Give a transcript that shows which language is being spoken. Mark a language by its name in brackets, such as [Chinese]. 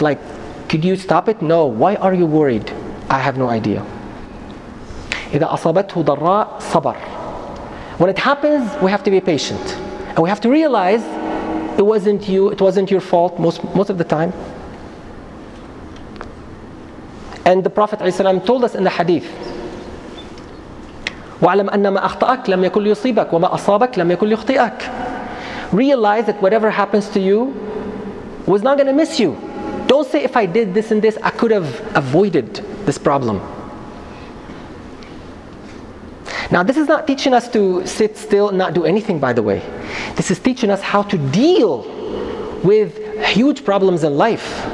[English] Like, could you stop it? No. Why are you worried? I have no idea. [Arabic] إذا أصابته ضراء صبر. [English] When it happens, we have to be patient. And we have to realize it wasn't you, it wasn't your fault most of the time. And the Prophet ﷺ told us in the hadith, [Arabic] وَعَلَمْ أَنَّ مَا أَخْطَأَكْ لَمْ يَكُلْ يُصِيبَكْ وَمَا أَصَابَكْ لَمْ يَكُلْ يُخْطِئَكْ. [English] Realize that whatever happens to you was not going to miss you. Don't say, if I did this and this, I could have avoided this problem. Now, this is not teaching us to sit still and not do anything, by the way. This is teaching us how to deal with huge problems in life.